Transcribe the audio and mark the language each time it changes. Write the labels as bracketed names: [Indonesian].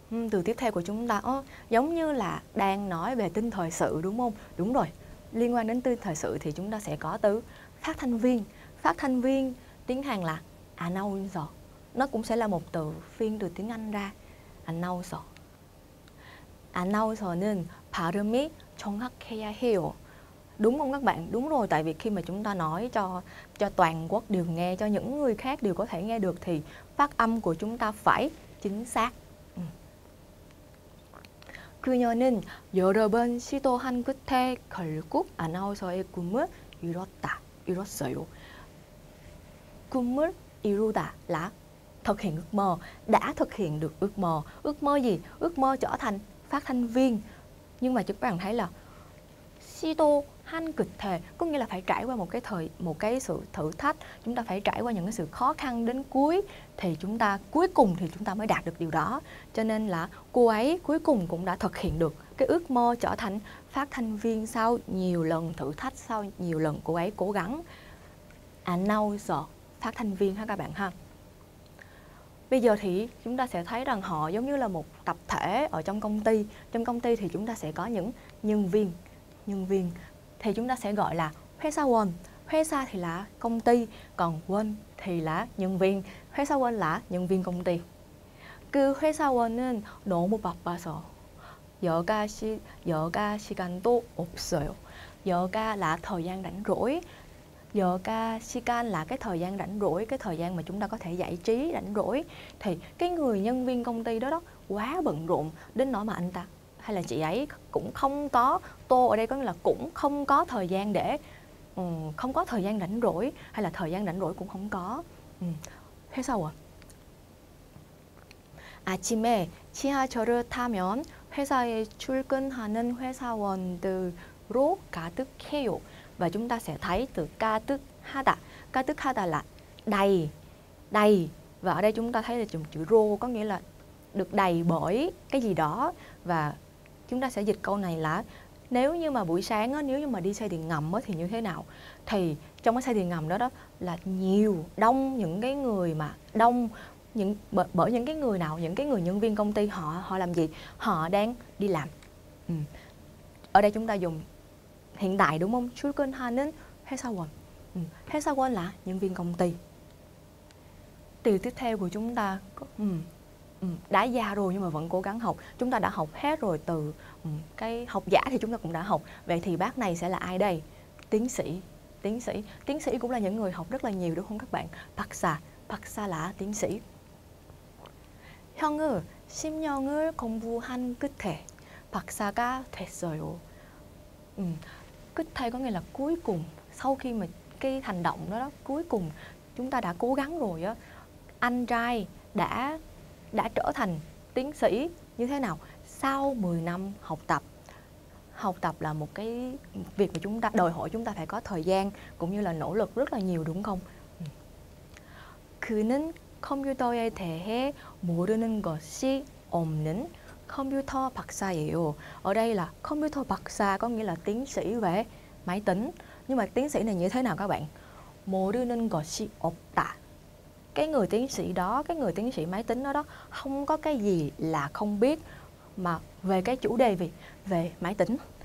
[Vietnamese] Từ tiếp theo của chúng ta giống như là đang nói về tin thời sự đúng không? Đúng rồi. Liên quan đến tin thời sự thì chúng ta sẽ có từ phát thanh viên. Phát thanh viên tiếng Hàn là announcer. Nó cũng sẽ là một từ phiên từ tiếng Anh ra. [English] Announcer. [Korean] Announcer는 발음이 정확해야 해요. [Vietnamese] Đúng không các bạn? Đúng rồi, tại vì khi mà chúng ta nói cho toàn quốc đều nghe, cho những người khác đều có thể nghe được thì phát âm của chúng ta phải chính xác. [Korean] 그녀는 여러 번 시도한 끝에 결국 아나운서의 꿈을 이뤘다. 이뤘어요. [Vietnamese] 꿈을 이루다 là thực hiện ước mơ, đã thực hiện được ước mơ. Ước mơ gì? Ước mơ trở thành phát thanh viên. Nhưng mà các bạn thấy là [Korean] 시도 한 끝에 [Vietnamese] có nghĩa là phải trải qua một cái sự thử thách, chúng ta phải trải qua những cái sự khó khăn đến cuối thì chúng ta cuối cùng thì chúng ta mới đạt được điều đó. Cho nên là cô ấy cuối cùng cũng đã thực hiện được cái ước mơ trở thành phát thanh viên sau nhiều lần thử thách, sau nhiều lần cô ấy cố gắng. Announcer, phát thanh viên ha các bạn ha. Bây giờ thì chúng ta sẽ thấy rằng họ giống như là một tập thể ở trong công ty. Trong công ty thì chúng ta sẽ có những nhân viên. Nhân viên thì chúng ta sẽ gọi là 회사원. 회사 thì là công ty, còn 원 thì là nhân viên. 회사원 là nhân viên công ty. [Korean] 그 회사원은 너무 바빠서 여가 시간도 없어요. [Vietnamese] 여가 là thời gian rảnh rỗi. 여가 시간 là cái thời gian rảnh rỗi, cái thời gian mà chúng ta có thể giải trí rảnh rỗi. Thì cái người nhân viên công ty đó quá bận rộn đến nỗi mà anh ta hay là chị ấy cũng không có, tô ở đây có nghĩa là cũng không có thời gian để không có thời gian rảnh rỗi, hay là thời gian rảnh rỗi cũng không có. [Korean] 회사원. 아침에 지하철을 타면 회사에 출근하는 회사원들로 가득해요. [Vietnamese] Và chúng ta sẽ thấy từ 가득하다. 가득하다 là đầy, đầy. Và ở đây chúng ta thấy là chữ 로 có nghĩa là được đầy bởi cái gì đó. Và chúng ta sẽ dịch câu này là nếu như mà buổi sáng, nếu như mà đi xe điện ngầm thì như thế nào? Thì trong cái xe điện ngầm đó đó là nhiều, đông những cái người mà đông những bởi những cái người nào? Những cái người nhân viên công ty họ họ làm gì? Họ đang đi làm. Ở đây chúng ta dùng hiện đại đúng không? [Korean] 출근하는 회사원. [Vietnamese] 회사원 là nhân viên công ty. Từ tiếp theo của chúng ta có đã già rồi nhưng mà vẫn cố gắng học. Chúng ta đã học hết rồi từ cái học giả thì chúng ta cũng đã học. Vậy thì bác này sẽ là ai đây? Tiến sĩ. Tiến sĩ. Tiến sĩ cũng là những người học rất là nhiều đúng không các bạn? Bác xà. Bác xà là tiến sĩ. [Korean] 형은 10년을 공부한 끝에 박사가 됐어요. [Vietnamese] 끝에 có nghĩa là cuối cùng. Sau khi mà cái hành động đó, cuối cùng chúng ta đã cố gắng rồi á. Anh trai đã trở thành tiến sĩ như thế nào? Sau 10 năm học tập. Học tập là một cái việc mà chúng ta đòi hỏi chúng ta phải có thời gian cũng như là nỗ lực rất là nhiều đúng không? [Korean] 그는 컴퓨터에 대해 모르는 것이 없는 컴퓨터 박사예요. [Vietnamese] Ở đây là computer 박사 có nghĩa là tiến sĩ về máy tính. Nhưng mà tiến sĩ này như thế nào các bạn? [Korean] 모르는 것이 없다. [Vietnamese] Cái người tiến sĩ đó, cái người tiến sĩ máy tính đó đó không có cái gì là không biết mà về cái chủ đề về máy tính.